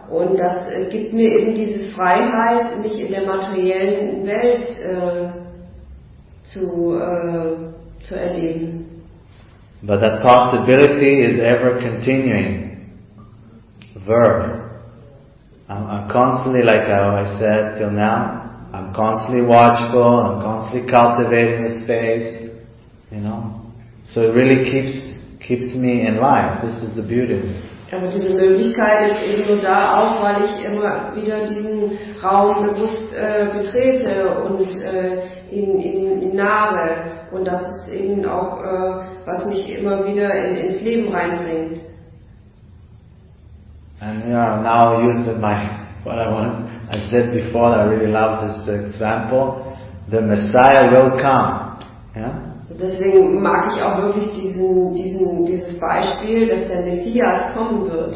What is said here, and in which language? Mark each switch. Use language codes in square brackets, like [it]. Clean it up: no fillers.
[de] Und das gibt mir eben diese Freiheit, mich in der materiellen Welt zu erleben. [en] But that possibility is ever continuing. Verb. I'm constantly, like I said till now, I'm constantly watchful, I'm constantly cultivating the space, you know. So it really keeps me in life. This is the beauty. [de] Aber diese Möglichkeit ist eben nur da, auch weil ich immer wieder diesen Raum bewusst betrete und ihn nahe. Und das ist eben auch, was mich immer wieder ins Leben reinbringt. [en] And yeah, now I use what I want. I said before that I really love this example. The Messiah will come. Yeah? [de] Deswegen mag ich auch wirklich dieses Beispiel, dass der Messias kommen wird.